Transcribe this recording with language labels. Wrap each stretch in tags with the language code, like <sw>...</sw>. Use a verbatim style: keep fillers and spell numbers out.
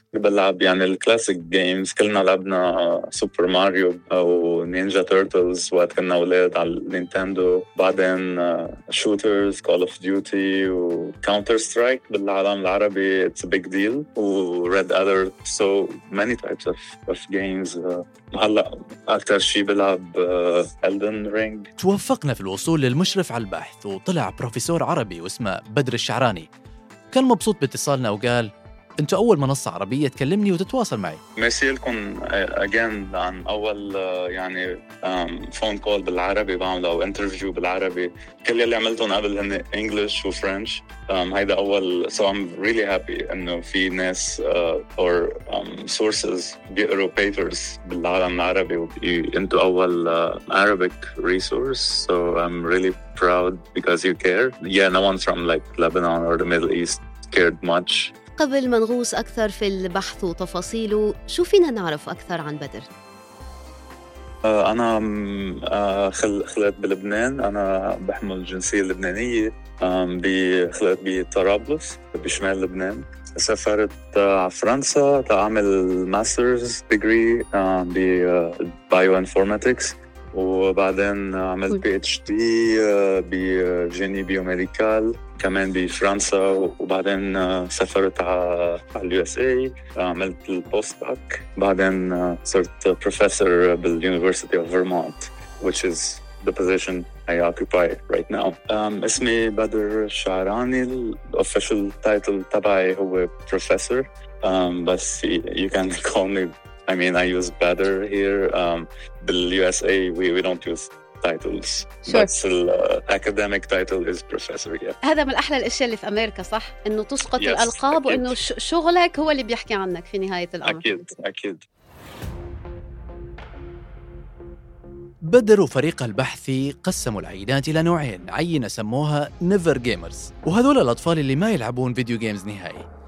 <ar>بلعب يعني الكلاسيك جيمز، كلنا لعبنا سوبر ماريو أو نينجا تيرتلز وقت كنا أولاد على النينتندو، بعدين شوترز كول اوف ديوتي وكاونتر سترايك بالعالم العربي</ar> <en>It's a big deal</en> <ar>وريد ألرت.</ar> <en>So many types of, of games.</en> <ar>هلا أكتر شي بلعب Elden Ring. توفقنا في الوصول للمشرف على البحث، وطلع بروفيسور عربي واسمه بدر الشعراني. كان مبسوط باتصالنا وقال أنتوا أول منصة عربية تكلمني وتتواصل معي. ميرسي لكم</ar> <en>again</en> <ar>عن أول يعني فون كول بالعربي بعمله أو انترفيو بالعربي. كل اللي عملتهم قبل هن English و French. هيدا أول.</ar> <en>So I'm really happy</en> <ar>إنه في ناس</ar> <en>uh, or um, sources</en> <ar>بيقروا</ar> <en>papers</en> <ar>بالعالم العربي وأنتوا أول</ar> <en>uh, Arabic resource. So I'm really proud because you care. Yeah, no one from like Lebanon or the Middle East cared much.</en> <ar>قبل ما نغوص أكثر في البحث وتفاصيله، شو فينا نعرف أكثر عن بدر؟ أنا خلقت بلبنان، أنا بحمل الجنسية اللبنانية، خلقت بطرابلس بشمال لبنان. سافرت على فرنسا لأعمل ماسترز ديجري ببايو انفورماتكس، وبعدين عملت بي اتش دي بجيني بيوميديكال كمان بفرنسا، وبعدين سافرت على اليو اس اي، عملت البوست دوك، بعدين صرت بروفيسور باليونيفرسيتي اوف فيرمونت</ar> <en>which is the position I occupy right now.</en> <ar>Um, اسمي بدر الشعراني. الاوفيشال تايتل تبعي هو بروفيسور،</ar> <en>um,</en> <ar>بس</ar> <en>you can call me, I mean I use Badr here. Um,</en> <ar>باليو اس اي</ar> <en>we, we don't use titles. Sure. But the uh, academic title is professor. Yeah.</en> <ar>هذا من أحلى الأشياء اللي في أمريكا، صح؟ إنه تسقط</ar> <en>yes,</en> <ar>الألقاب أكيد. وإنه شغلك هو اللي بيحكي عنك في نهاية الأمر. أكيد أكيد. بدر وفريق البحثي قسموا العينات إلى نوعين، عينة سموها نيفر جيمرز، وهذول الأطفال اللي ما يلعبون فيديو جيمز نهائي.</ar>